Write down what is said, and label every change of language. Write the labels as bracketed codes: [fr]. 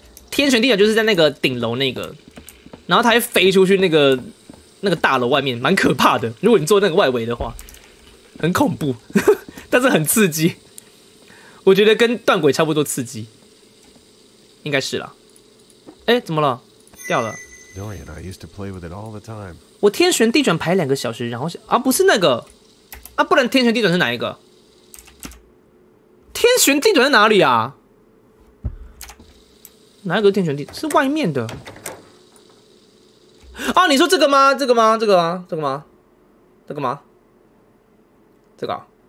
[zh] 天旋地转就是在那个顶楼那个，然后它会飞出去那个大楼外面，蛮可怕的。如果你坐那个外围的话，很恐怖，但是很刺激。我觉得跟断轨差不多刺激，应该是啦。哎，怎么了？掉了。 [en] Dorian, I used to play with it all the time. [zh] 我天旋地转排两个小时，然后不是那个啊，不然天旋地转是哪一个？天旋地转在哪里啊？哪一个天旋地是外面的？啊，你说这个吗？这个吗？这个吗？这个吗？这个吗？这个、啊？